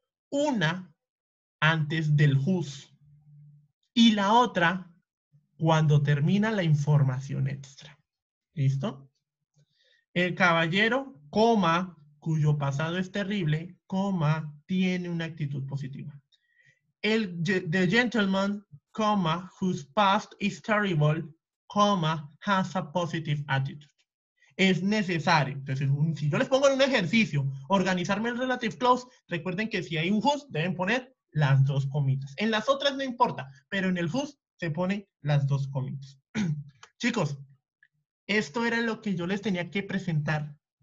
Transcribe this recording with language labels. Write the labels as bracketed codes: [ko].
[es] Una antes del whose. Y la otra, cuando termina la información extra. ¿Listo? El caballero, coma, cuyo pasado es terrible, coma, tiene una actitud positiva. [en] The gentleman, [es] coma, [en] whose past is terrible, coma, has a positive attitude. [es] Es necesario. Entonces, si yo les pongo en un ejercicio, organizarme el relative clause, recuerden que si hay un whose, deben poner las dos comitas. En las otras no importa, pero en el whose se pone las dos comitas. Chicos, esto era lo que yo les tenía que presentar.